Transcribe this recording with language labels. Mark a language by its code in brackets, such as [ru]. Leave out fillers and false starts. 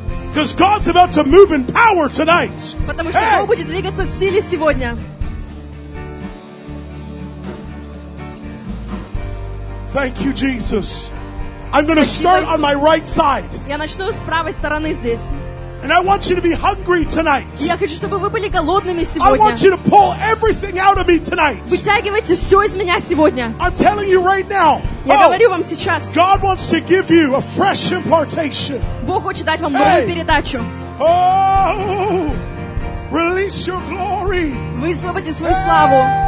[en] Because God's about to move in power tonight. [ru] Потому что Бог будет двигаться в силе сегодня. [en] Thank you, Jesus. I'm going to start [ru] Иисус. [en] On my right side. [ru] Я начну с правой стороны здесь. [en] And I want you to be hungry tonight. [ru] Я хочу, чтобы вы были голодными сегодня. [en] I want you to pull everything out of me tonight. [ru] Вытягивайте все из меня сегодня. [en] I'm telling you right now. [ru] Я говорю вам сейчас. [en] God wants to give you a fresh impartation. [ru] Бог хочет дать вам новую передачу. [en] Oh, release your glory. [ru] Высвободите свою славу.